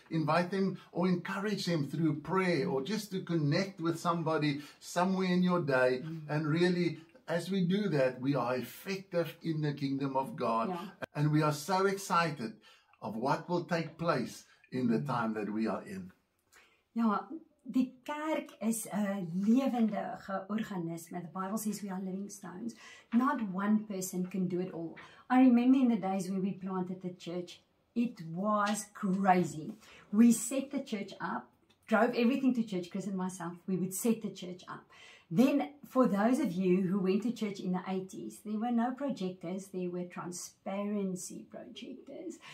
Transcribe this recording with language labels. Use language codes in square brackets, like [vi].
[en] Invite them or encourage them through prayer or just to connect with somebody somewhere in your day. And really, as we do that, we are effective in the kingdom of God. Yeah. And we are so excited of what will take place in the time that we are in. [af] Ja, die kerk is 'n lewendige organisme. [en] The Bible says we are living stones. Not one person can do it all. I remember in the days when we planted the church, it was crazy. We set the church up, drove everything to church, Chris and myself. We would set the church up. Then, for those of you who went to church in the 80s, there were no projectors, there were transparency projectors.